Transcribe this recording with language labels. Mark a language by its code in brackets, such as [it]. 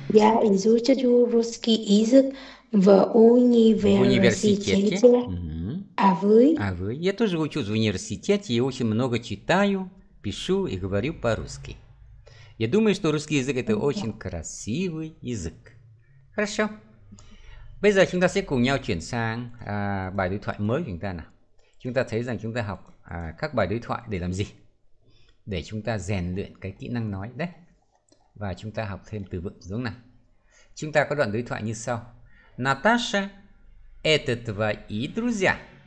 [ru] изучаю русский язык в в университете. университете, а вы? А вы? Я тоже учусь в университете и очень много читаю, пишу и говорю по-русски. Я думаю, что русский язык это очень красивый язык. Хорошо. [vi] Bây giờ chúng ta sẽ cùng nhau chuyển sang bài đối thoại mới của chúng ta nào. Chúng ta thấy rằng chúng ta học các bài đối thoại để làm gì? Để chúng ta rèn luyện cái kỹ năng nói đấy. Và chúng ta học thêm từ vựng đúng không nào? Chúng ta có đoạn đối thoại như sau. [ru] Natasha, это твои друзья.